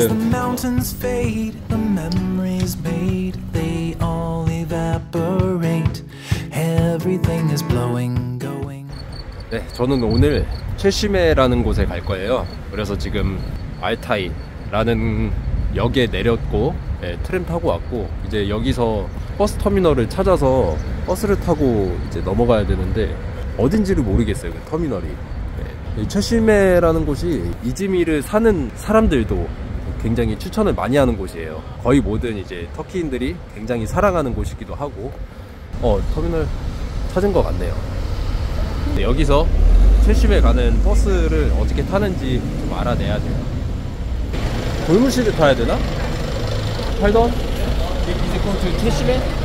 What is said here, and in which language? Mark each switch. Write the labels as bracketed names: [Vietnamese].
[English] As the mountains fade, the memories made, they all evaporate. Everything is blowing, going. [Korean] 네, 저는 오늘 최시메라는 곳에 갈 거예요. 그래서 지금 알타이라는 역에 내렸고, 네, 트램 타고 왔고, 이제 여기서 버스 터미널을 찾아서 버스를 타고 이제 넘어가야 되는데 어딘지를 모르겠어요, 그 터미널이. 네, 최시메라는 곳이 이즈미르 사는 사람들도 굉장히 추천을 많이 하는 곳이에요. 거의 모든 이제 터키인들이 굉장히 사랑하는 곳이기도 하고. 터미널 찾은 것 같네요. 네, 여기서 최시메 가는 버스를 어떻게 타는지 좀 알아내야 돼요. 골무시를 타야 되나? 팔던? [English] Is it going to 최시메?